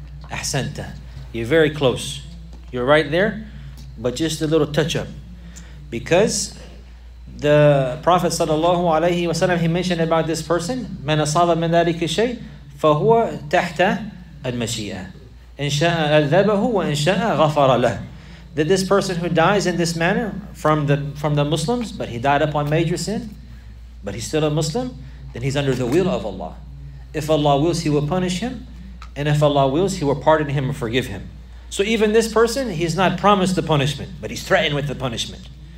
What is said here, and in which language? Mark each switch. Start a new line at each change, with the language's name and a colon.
English: Ahsanta. You're very close. You're right there, but just a little touch up. Because the Prophet sallallahu alayhi wa sallam, he mentioned about this person,
Arabic: مَنْ أَصَابَ مِنْ ذَلِكَ شَيْءٍ فَهُوَ تَحْتَ الْمَشِيَةِ إِنْ شَاءَ أَذَّبَهُ وَإِنْ شَاءَ غَفَرَ لَهُ.
English: That this person who dies in this manner from the Muslims, but he died upon major sin, but he's still a Muslim, then he's under the will of Allah. If Allah wills, He will punish him. And if Allah wills, He will pardon him and forgive him. So even this person, he's not promised the punishment, but he's threatened with the punishment.